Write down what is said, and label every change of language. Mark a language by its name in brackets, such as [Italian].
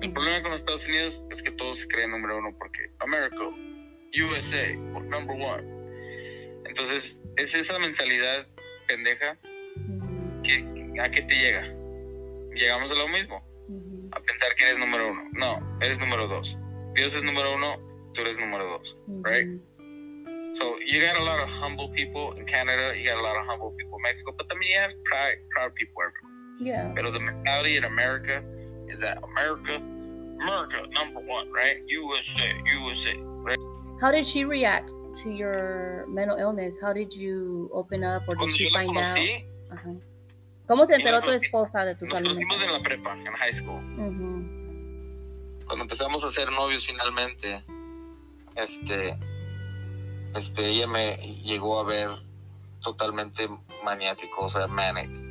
[Spanish] El problema con Estados Unidos es que todos se creen número uno porque America, [English] USA, number one. [Spanish] Entonces, es esa mentalidad pendeja, que a qué te llega. Llegamos a lo mismo, a pensar que eres número uno. No, eres número dos. Dios es número uno, tú eres número dos. [English] Right? So you got a lot of humble people in Canada, you got a lot of humble people in Mexico, but también you have proud people everywhere. Yeah. Pero the mentality in America is that America number one, right? USA, right? How did she react to your mental illness? How did you open up, or did she find out? [Spanish] ¿Cómo se enteró tu esposa de tu salud? Nos conocimos en la prepa, en high school. Uh-huh. Cuando empezamos a ser novios finalmente, este ella me llegó a ver totalmente maniático, o sea, manic.